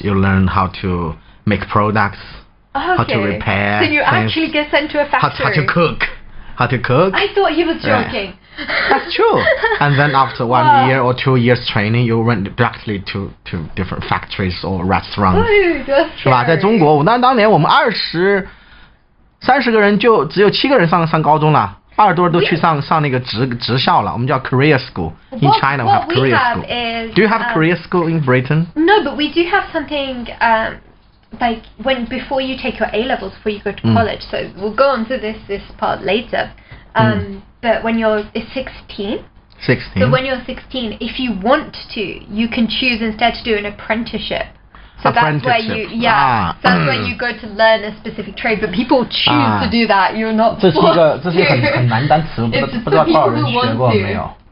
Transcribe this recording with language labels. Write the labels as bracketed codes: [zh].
[en] You learn how to make products, okay. How to repair things. So you actually get sent to a factory. How to cook. how to cook. I thought he was joking.、 Right. That's true. And then after one year or 2 years training, you went directly to different factories or restaurants. Oh, that's true. [zh] 是吧？在中国，那当年我们30个人就只有7个人上高中了。二多都去上那个职校了，我们叫 career school. [en] In China, we have career school. Do you have career school in Britain? No, but we do have something like when before you take your A levels, before you go to college. So we'll go on to this part later. But when you're 16. So when you're 16, if you want to, you can choose instead to do an apprenticeship. So that's where you go to learn a specific trade, but people choose to do that. You're not forced to. [zh] 这是很难单词，不知道多少人学过没有。